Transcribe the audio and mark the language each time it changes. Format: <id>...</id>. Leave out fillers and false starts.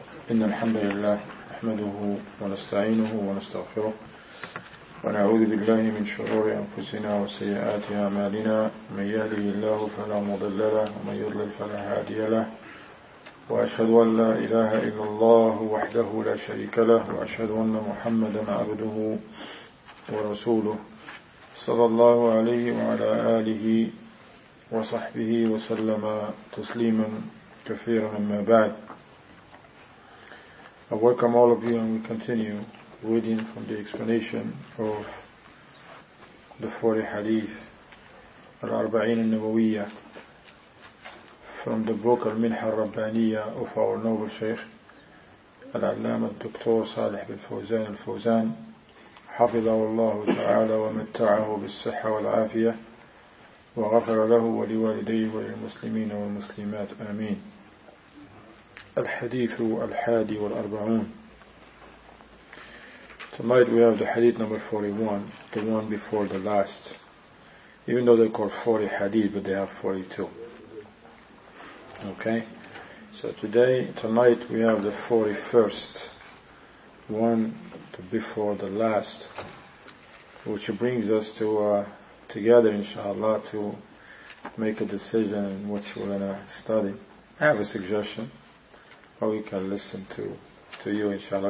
<ar>إن الحمد لله نحمده ونستعينه ونستغفره ونعوذ بالله من شرور أنفسنا وسيئات أعمالنا، من يهده الله فلا مضل له ومن يضلل فلا هادي له، وأشهد أن لا إله إلا الله وحده لا شريك له، وأشهد أن محمدا عبده ورسوله صلى الله عليه وعلى آله وصحبه وسلم تسليما كثيرا. أما بعد،</ar> <en>I welcome all of you and we continue reading from the explanation of the 40 hadith al-arba'in al-nawawiyya from the book al-minha al-rabbaniyya of our noble Shaykh al-allama al-doktor Salih bin Fawzan al-Fawzan</en> <ar>حفظه الله تعالى ومتعه بالصحة والعافية وغفر له ولوالديه وللمسلمين والمسلمات آمين. الحديث الحادي والأربعون.</ar> <en>Tonight we have the hadith number 41, the one before the last. Even though they're called 40 hadith, but they have 42. Okay? So tonight we have the 41st one, the before the last, which brings us to together, inshallah, to make a decision in which we're going to study. I have a suggestion, or we can listen to you, inshallah.</en>